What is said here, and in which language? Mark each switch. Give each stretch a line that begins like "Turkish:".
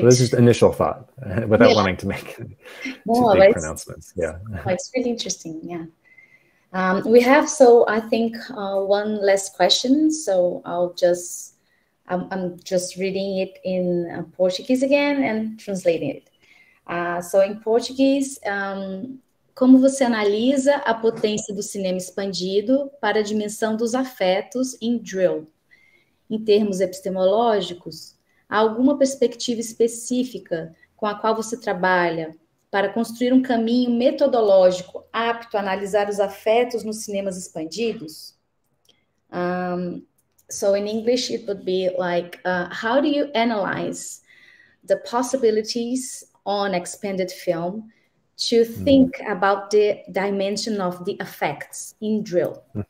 English: But this is an initial thought, without wanting to make too big pronouncements. It's really interesting. Yeah. We have, so I think, one last question. So I'm just reading it in Portuguese again and translating it. So in Portuguese,
Portuguese: como você analisa a potência do cinema expandido para a dimensão dos afetos em Drill? Em termos epistemológicos, há alguma perspectiva específica com a qual você trabalha para construir um caminho metodológico apto a analisar os afetos nos cinemas expandidos?
English: So in English, it would be like, how do you analyze the possibilities on expanded film to think about the dimension of the affects in Drill?